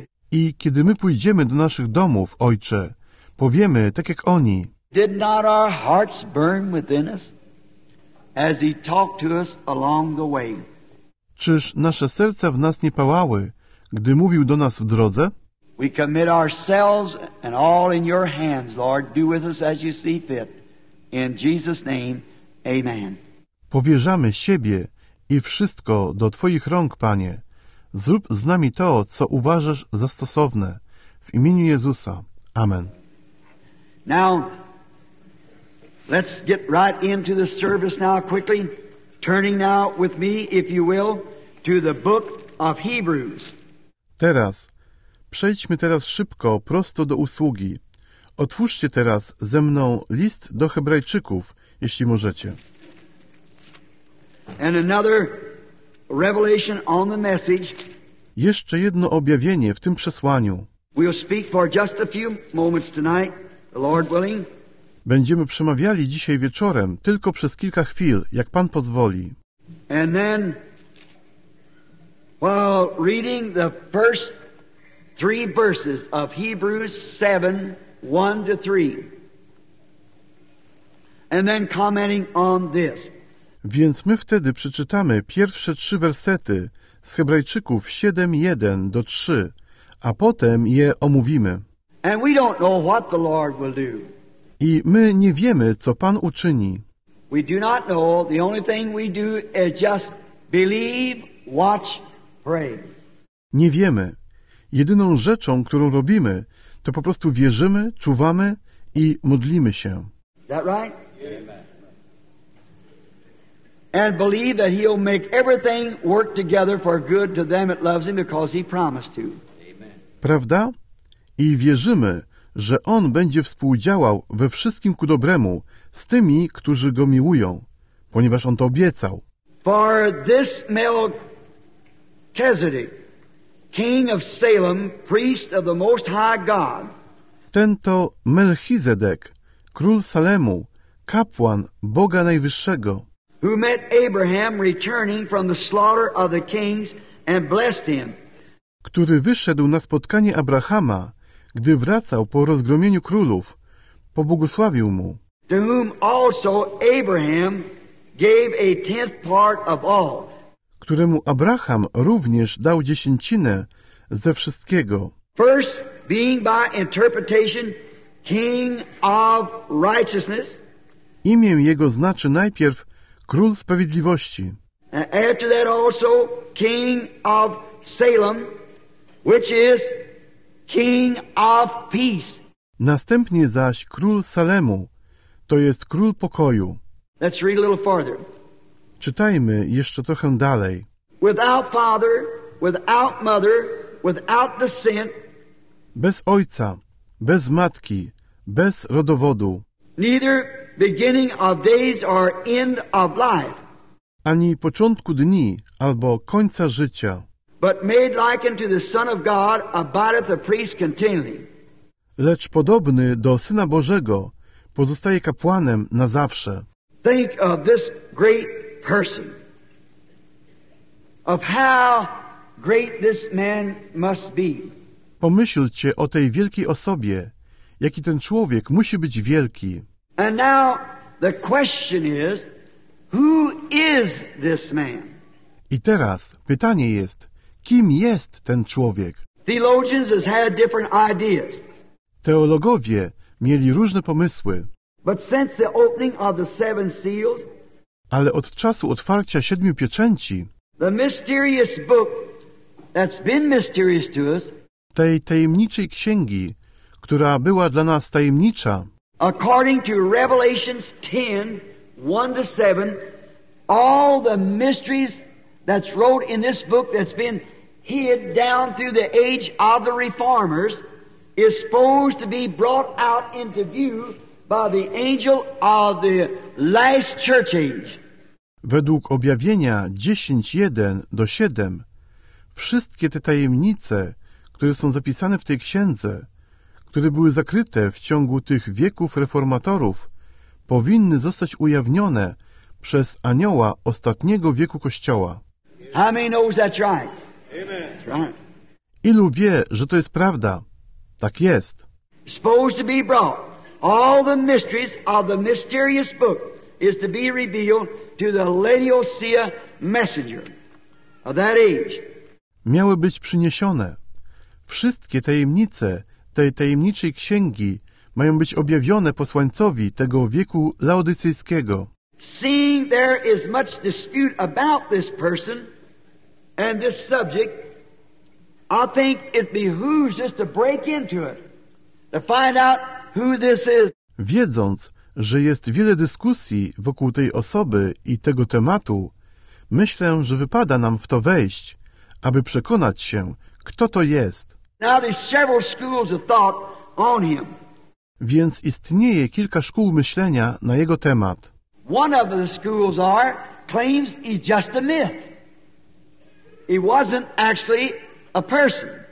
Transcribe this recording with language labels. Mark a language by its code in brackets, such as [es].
[pl] I kiedy my pójdziemy do naszych domów, Ojcze, powiemy tak jak oni. [en] Did not our hearts burn within us as he talked to us along the way? [pl] Czyż nasze serca w nas nie pałały, gdy mówił do nas w drodze? [en] We commit ourselves and all in your hands, Lord. Do with us as you see fit. In Jesus' name. Amen. [pl] Powierzamy siebie i wszystko do Twoich rąk, Panie. Zrób z nami to, co uważasz za stosowne. W imieniu Jezusa. Amen. [en] Now, let's get right into the service now quickly. Turning now with me, if you will, to the book of Hebrews. [pl] Teraz, przejdźmy teraz szybko, prosto do usługi. Otwórzcie teraz ze mną list do Hebrajczyków, jeśli możecie. [en] And another revelation on the message. [pl] Jeszcze jedno objawienie w tym przesłaniu. [en] We'll speak for just a few moments tonight, the Lord willing. [pl] Będziemy przemawiali dzisiaj wieczorem tylko przez kilka chwil, jak Pan pozwoli. [en] And then, while reading the first three verses of Hebrews 7:1-3, and then commenting on this. [pl] Więc my wtedy przeczytamy pierwsze trzy wersety z Hebrajczyków 7:1-3, a potem je omówimy. [en] And we don't know what the Lord will do. [pl] I my nie wiemy, co Pan uczyni. [en] We do not know. The only thing we do is just believe, watch, pray. [pl] Nie wiemy. Jedyną rzeczą, którą robimy, to po prostu wierzymy, czuwamy i modlimy się. [en] Is that right? And believe that he'll make everything work together for good to them that loves him because he promised to. [pl] Prawda? I wierzymy, że on będzie współdziałał we wszystkim ku dobremu z tymi, którzy go miłują, ponieważ on to obiecał. [en] For this Melchizedek, king of Salem, priest of the Most High God. [pl] Ten to Melchizedek, król Salemu, kapłan Boga Najwyższego. [en] Who met Abraham returning from the slaughter of the kings and blessed him. [pl] Który wyszedł na spotkanie Abrahama, gdy wracał po rozgromieniu królów, pobłogosławił mu. [en] To whom also Abraham gave a tenth part of all. [pl] Któremu Abraham również dał dziesięcinę ze wszystkiego. [en] First being by interpretation king of righteousness. [pl] Imię jego znaczy najpierw Król Sprawiedliwości. [en] After that also King of Salem, which is King of Peace. [pl] Następnie zaś Król Salemu, to jest Król Pokoju. [en] Let's read a little farther. [pl] Czytajmy jeszcze trochę dalej. [en] Without father, without mother, without descent. [pl] Bez ojca, bez matki, bez rodowodu. [en] Neither beginning of days or end of life. [pl] Ani początku dni albo końca życia. [en] But made like unto the Son of God abideth the priest continually. [pl] Lecz podobny do Syna Bożego pozostaje kapłanem na zawsze. [en] Think of this great person. Of how great this man must be. [pl] Pomyślcie o tej wielkiej osobie, jaki ten człowiek musi być wielki. [en] And now the question is, who is this man? [pl] I teraz pytanie jest, kim jest ten człowiek? [en] Theologians have had different ideas. [pl] Teologowie mieli różne pomysły. [en] But since the opening of the seven seals, [pl] ale od czasu otwarcia siedmiu pieczęci, [en] the mysterious book that's been mysterious to us, [pl] tej tajemniczej księgi, która była dla nas tajemnicza, [en] according to Revelations 10:1-7, all the mysteries that's wrote in this book that's been hid down through the age of the reformers is supposed to be brought out into view by the angel of the last church age. [pl] Według objawienia 10:1-7, wszystkie te tajemnice, które są zapisane w tej księdze, które były zakryte w ciągu tych wieków reformatorów, powinny zostać ujawnione przez anioła ostatniego wieku Kościoła. [en] How many knows that's right? Amen. That's right. [pl] Ilu wie, że to jest prawda? Tak jest. [en] Supposed to be brought. All the mysteries of the mysterious book is to be revealed to the Laodicea messenger of that age. [pl] Miały być przyniesione. Wszystkie tajemnice tej tajemniczej księgi mają być objawione posłańcowi tego wieku laodycyjskiego. [en] Seeing there is much dispute about this person and this subject, I think it behooves us to break into it, to find out who this is. [pl] Wiedząc, że jest wiele dyskusji wokół tej osoby i tego tematu, myślę, że wypada nam w to wejść, aby przekonać się, kto to jest. [en] Now there's several schools of thought on him. [pl] Więc istnieje kilka szkół myślenia na jego temat. [en] One of the schools are claims he's just a myth. He wasn't actually a person.